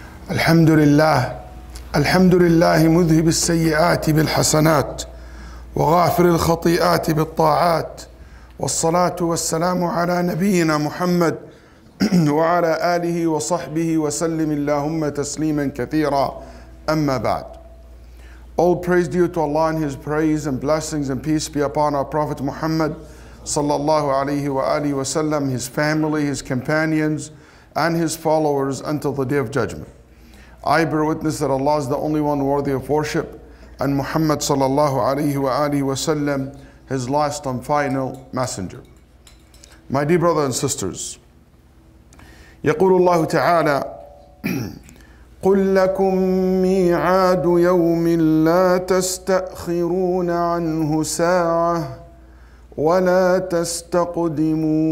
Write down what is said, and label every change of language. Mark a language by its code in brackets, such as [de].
[ar] الحمد لله الحمد لله مذهب السيئات بالحسنات وغافر الخطيئات بالطاعات والصلاة والسلام على نبينا محمد وعلى آله وصحبه وسلم اللهم تسليما كثيرا أما بعد. [en] All praise due to Allah and His praise and blessings and peace be upon our Prophet Muhammad sallallahu alayhi wa alihi wasallam, his family, his companions, and his followers until the Day of Judgment. I bear witness that Allah is the only one worthy of worship, and Muhammad sallallahu alayhi wa alihi wasallam, his last and final messenger. My dear brothers and sisters, [ar] يقول الله تعالى قل لكم ميعاد يوم لا تستأخرون عنه ساعة ولا تستقدمون.